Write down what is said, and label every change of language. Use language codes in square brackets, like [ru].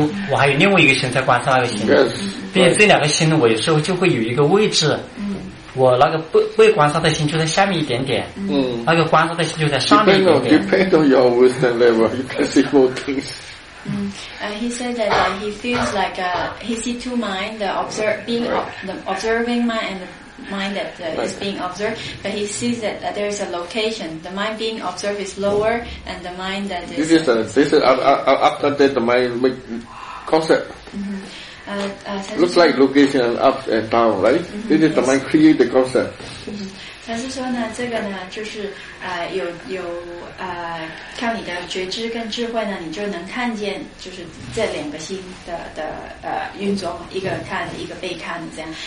[zh] 我还有另外一个心在观察那个心，并且这两个心呢，我有时候就会有一个位置，我那个被观察的心就在下面一点点，嗯，那个观察的心就在上面一点点。 [en] Depend on your wisdom level, you can see more things. He said that he feels like he sees two minds, the observing mind and the mind that is being observed. But he sees that there is a location. The mind being observed is lower, and the mind that is. This is after that the mind make concept. Mm-hmm. Looks like location and up and down, right? Mm-hmm, this is the mind create the concept. [zh] 他是说呢，这个呢，就是有靠你的觉知跟智慧呢，你就能看见，就是这两个心的运作，一个看一个被看这样。